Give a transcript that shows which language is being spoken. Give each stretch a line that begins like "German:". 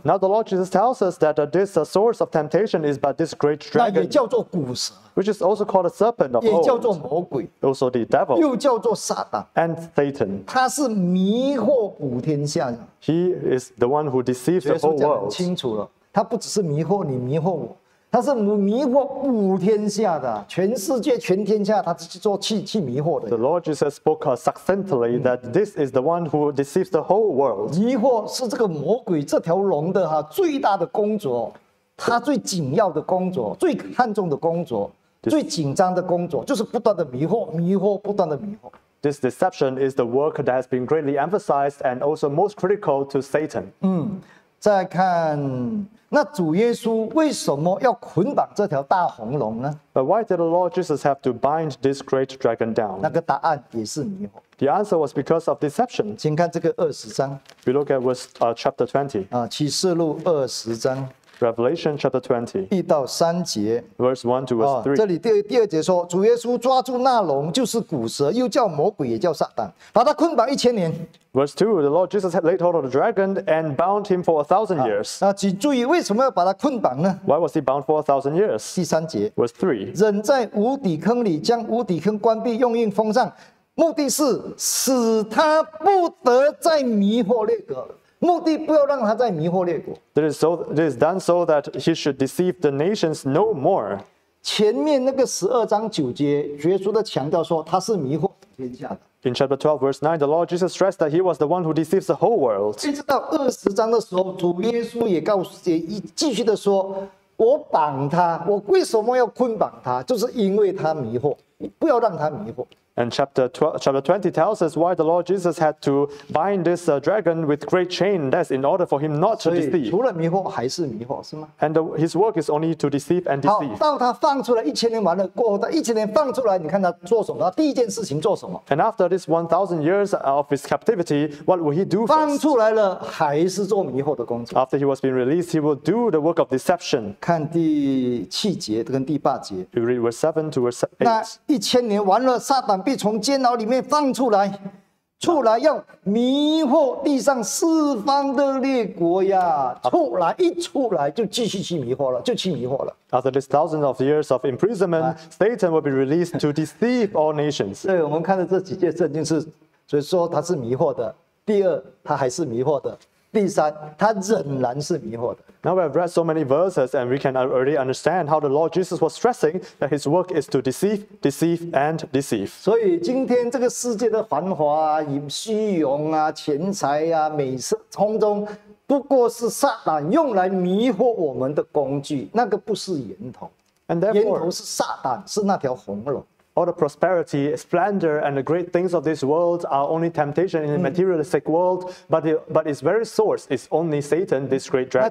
English: Now the Lord Jesus tells us that this source of temptation is by this great dragon.
Chinese: 那也叫做蛊蛇。
English: Which is also called a serpent of old.
Chinese: 也叫做魔鬼。
English: Also the devil.
Chinese: 又叫做撒旦。
English: And Satan.
Chinese: 他是迷惑普天下。
English: He is the one who deceives the whole world.
Chinese: 耶稣讲得很清楚了，他不只是迷惑你，迷惑我，他是迷惑普天下的，全世界全天下，他是做去迷惑的。
English: The Lord Jesus spoke succinctly that this is the one who deceives the whole world.
Chinese: 迷惑是这个魔鬼这条龙的最大的工作。他最紧要的工作，最看重的工作，最紧张的工作，就是不断的迷惑，迷惑，不断的迷惑。
English: This deception is the work that has been greatly emphasized and also most critical to Satan.
Chinese: 再看，那主耶稣为什么要捆绑这条大红龙呢？
English: But why did the Lord Jesus have to bind this great dragon down?
Chinese: 那个答案也是迷惑。
English: The answer was because of deception.
Chinese: 请看这个二十章。
English: We look at verse chapter 20.
Chinese: 启示录二十章。
English: Revelation chapter 20,
Chinese: 一到三节
English: verse 1 to verse 3.
Chinese: 这里第二节说，主耶稣抓住那龙，就是蛊蛇，又叫魔鬼，也叫撒旦，把他捆绑一千年。
English: Verse 2, the Lord Jesus had laid hold of the dragon and bound him for 1,000 years.
Chinese: 请注意，为什么要把他捆绑呢？
English: Why was he bound for 1,000 years?
Chinese: 第三节
English: verse 3,
Chinese: 忍在无底坑里，将无底坑关闭，用印封上，目的是使他不得再迷惑列国。目的不要让他再迷惑列国。
English: It is done so that he should deceive the nations no more.
Chinese: 前面那个十二章九节，耶稣的强调说他是迷惑天下的。
English: In chapter 12, verse 9, the Lord Jesus stressed that he was the one who deceives the whole world.
Chinese: 一直到二十章的时候，主耶稣也告诉，也继续的说，我绑他，我为什么要捆绑他？就是因为他迷惑，不要让他迷惑。
English: And chapter 20 tells us why the Lord Jesus had to bind this dragon with great chain. That's in order for him not to deceive.
Chinese: 除了迷惑还是迷惑，是吗？
English: And his work is only to deceive and deceive.
Chinese: 好，到他放出来一千年完了，过后他一千年放出来，你看他做什么？第一件事情做什么？
English: And after this 1,000 years of his captivity, what will he do first?
Chinese: 放出来了还是做迷惑的工作。
English: After he was being released, he will do the work of deception.
Chinese: 看第七节跟第八节。
English: We read verse 7 to verse 8.
Chinese: 那一千年完了，撒旦必从监牢里面放出来，出来要迷惑地上四方的列国呀！出来一出来就继续去迷惑了，就去迷惑了。
English: After this thousand of years of imprisonment, Satan will be released to deceive all nations.
Chinese: 对，我们看到这几节圣经是，所以说他是迷惑的。第二，他还是迷惑的。第三，他仍然是迷惑的。
English: Now we have read so many verses, and we can already understand how the Lord Jesus was stressing that his work is to deceive, deceive, and deceive.
Chinese: 所以今天这个世界的繁华啊、虚荣啊、钱财啊、美色，通通不过是撒旦用来迷惑我们的工具，那个不是源头。
English: And therefore,
Chinese: 源头是撒旦，是那条红龙。
English: All the prosperity, splendor, and the great things of this world are only temptation in the materialistic world, but its very source is only Satan, this great dragon.